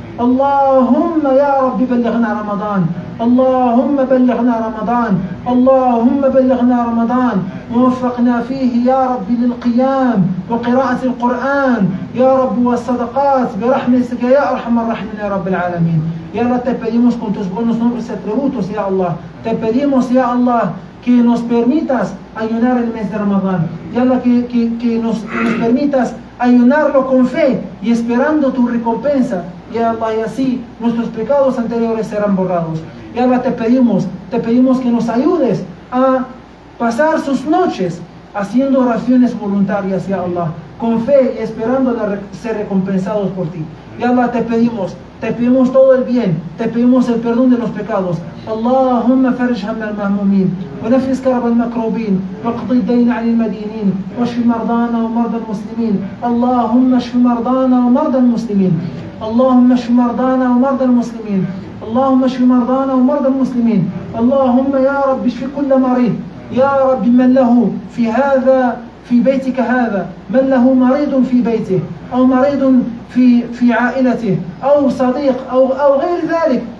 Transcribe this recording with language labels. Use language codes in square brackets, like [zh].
[ar] اللهم يا رب بلغنا رمضان. اللهم بلغنا رمضان. اللهم بلغنا رمضان ووفقنا فيه يا رب للقيام وقراءة القرآن يا رب والصدقات برحمتك يا أرحم الراحمين يا رب العالمين. يا رب [es] te pedimos con tus buenos nombres y atributos, [ar] يا الله [es] te pedimos, يا الله que nos permitas ayunar el mes de Ramadán. Y Allah, que nos permitas ayunarlo con fe y esperando tu recompensa. Y Allah, y así nuestros pecados anteriores serán borrados. Y Allah, te pedimos que nos ayudes a pasar sus noches haciendo oraciones voluntarias, ya Allah, con fe y esperando ser recompensados por ti. Y Allah, te pedimos todo el bien, te pedimos el perdón de los pecados. [ar] اللهم فرج هم المهمومين ونفس كرب المكروبين واقض الدين عن المدينين واشف مرضانا ومرضى المسلمين. اللهم اشف مرضانا ومرضى المسلمين. اللهم اشف مرضانا ومرضى المسلمين. اللهم اشف مرضانا ومرضى المسلمين. اللهم يا رب اشف كل مريض, يا رب من له في هذا في بيتك هذا, من له مريض في بيته او مريض في عائلته او صديق او غير ذلك.